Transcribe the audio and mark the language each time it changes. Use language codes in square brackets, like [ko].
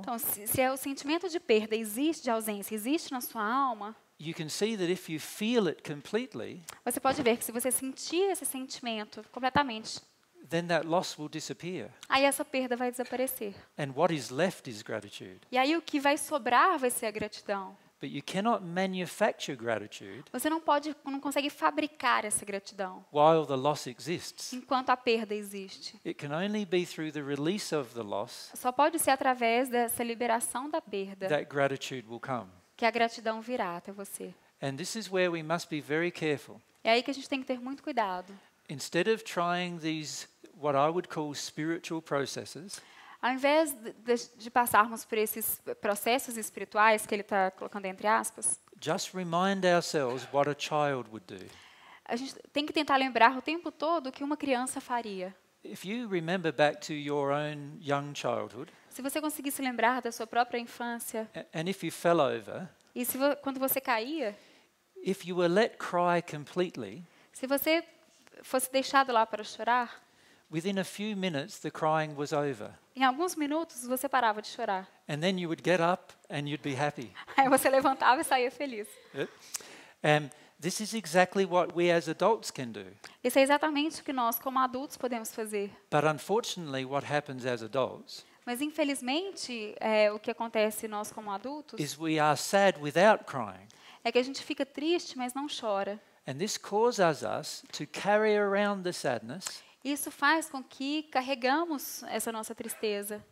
[pt] então, se o sentimento de perda existe, de ausência existe na sua alma, [en] you can see that if you feel it completely, [pt] você pode ver que se você sentir esse sentimento completamente, [en] then that loss will disappear. [pt] Aí essa perda vai desaparecer. [en] And what is left is gratitude. [pt] E aí o que vai sobrar vai ser a gratidão. [en] But you cannot manufacture gratitude. [pt] Você não consegue fabricar essa gratidão. [en] While the loss exists. [pt] Enquanto a perda existe. [en] It can only be through the release of the loss. [pt] Só pode ser através dessa liberação da perda. [en] That gratitude will come. [pt] Que a gratidão virá até você. [en] And this is where we must be very careful. [pt] É aí que a gente tem que ter muito cuidado. [en] Instead of trying these what I would call spiritual processes. [pt] Ao invés de passarmos por esses processos espirituais que ele está colocando entre aspas, [en] just remind ourselves what a child would do. [pt] A gente tem que tentar lembrar o tempo todo o que uma criança faria. [en] If you remember back to your own young childhood, [pt] se você conseguisse lembrar da sua própria infância, [en] and if you fell over, [pt] e se quando você caía, [en] if you were let cry completely, [pt] se você fosse deixado lá para chorar, [en] within a few minutes the crying was over. [pt] Em alguns minutos você parava de chorar. [en] And then you would get up and you'd be happy. [pt] Aí você levantava e saía feliz. [en] And this is exactly what we as adults can do. [pt] Isso é exatamente o que nós como adultos podemos fazer. [en] But unfortunately what happens as adults? [pt] Mas infelizmente o que acontece nós como adultos? [en] Is we are sad without crying. [pt] É que a gente fica triste, mas não chora. [en] And this causes us to carry around the sadness. [pt] Isso faz com que carregamos essa nossa tristeza